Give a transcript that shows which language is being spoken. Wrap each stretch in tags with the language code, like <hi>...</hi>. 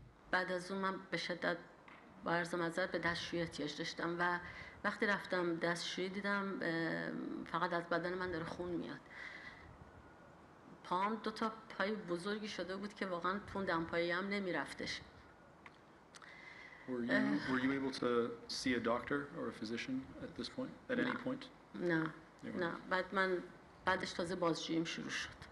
<fa>بعد از اون من به شدت با عرض معذرت به دستشویی احتیاج داشتم و وقتی رفتم دستشویی دیدم فقط از بدن من داره خون میاد. پام دو تا پای بزرگی شده بود که واقعا تون دمپایی هم نمیرفتش.</fa> <en>Were you able to see a doctor or a physician at this point, at any point?</en> <fa>نه. بعدش تازه بازجوییم شروع شد.</fa>